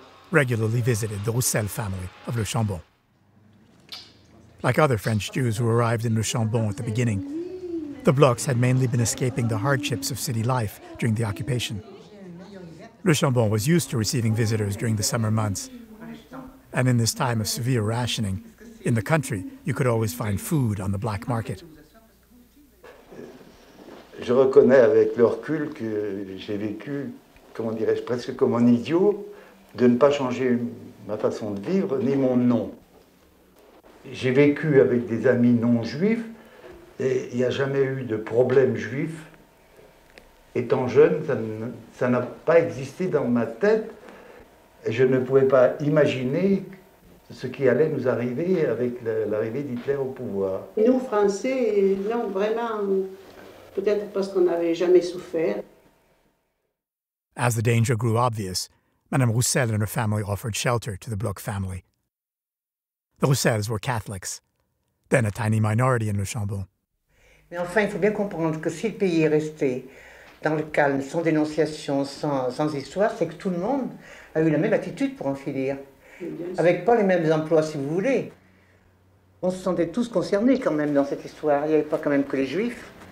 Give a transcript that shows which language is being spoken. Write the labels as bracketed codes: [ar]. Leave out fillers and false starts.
[en] regularly visited the Roussel family of Le Chambon. Like other French Jews who arrived in Le Chambon at the beginning, the Blochs had mainly been escaping the hardships of city life during the occupation. Le Chambon was used to receiving visitors during the summer months, and in this time of severe rationing, in the country, you could always find food on the black market. [fr] Je reconnais avec le recul que j'ai vécu, comment dirais-je, presque comme un idiot, de ne pas changer ma façon de vivre, ni mon nom. J'ai vécu avec des amis non-juifs, et il n'y a jamais eu de problème juif. Étant jeune, ça n'a pas existé dans ma tête, et je ne pouvais pas imaginer ce qui allait nous arriver avec l'arrivée d'Hitler au pouvoir. Nous, Français, non, vraiment... Peut-être parce qu'on n'avait jamais souffert. [en] As the danger grew obvious, Madame Roussel and her family offered shelter to the Bloch family. The Roussels were Catholics, then a tiny minority in Le Chambon. [fr] Mais enfin, il faut bien comprendre que si le pays est resté dans le calme, sans dénonciation, sans histoire, c'est que tout le monde a eu la même attitude pour en finir, avec pas les mêmes emplois, si vous voulez. On se sentait tous concernés quand même dans cette histoire. Il n'y avait pas quand même que les Juifs.